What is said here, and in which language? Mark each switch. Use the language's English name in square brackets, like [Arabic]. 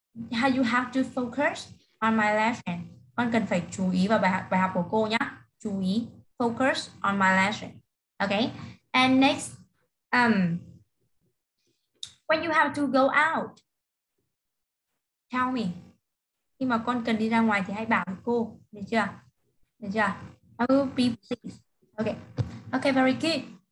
[English] How you have to focus on my lesson. [Vietnamese] Con cần phải chú ý vào bài học của cô nhá. Chú ý, [English] focus on my lesson. [Vietnamese] Okay. [English] And next, when you have to go out, tell me. [Vietnamese] Khi mà con cần đi ra ngoài thì hãy bảo với cô, được chưa? [English] I will be pleased. Okay. Okay, very good.